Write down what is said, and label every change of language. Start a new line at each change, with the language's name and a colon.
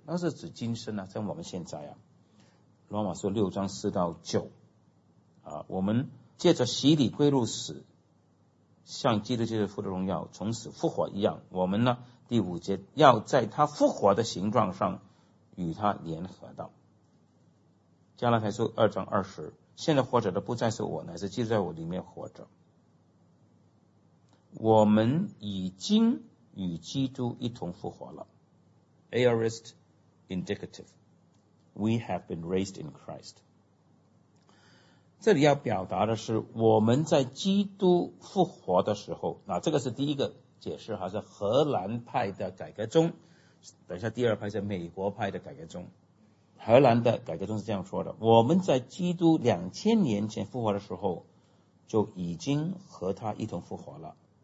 Chinese: 那是指今生啊，在我们现在啊。罗马书六章四到九啊，我们借着洗礼归入死，像基督就是父的荣耀从此复活一样，我们呢第五节要在他复活的形状上与他联合到。加拉太书二章二十，现在活着的不再是我，乃是基督在我里面活着。我们已经与基督一同复活了。
English: Aorist indicative. We have been raised in Christ.
Chinese: 这里要表达的是我们在基督复活的时候，那这个是第一个解释，还是荷兰派的改革中，等一下第二派是美国派的改革中。荷兰的改革中是这样说的，我们在基督两千年前复活的时候就已经和他一同复活了。